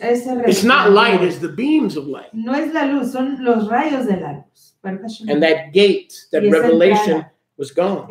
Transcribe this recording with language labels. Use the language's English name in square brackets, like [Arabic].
[English] it's not light, it's the beams of light. [Spanish] No es la luz, son los rayos de la luz. Perfecto. [English] And that gate, that revelation entrada, was gone.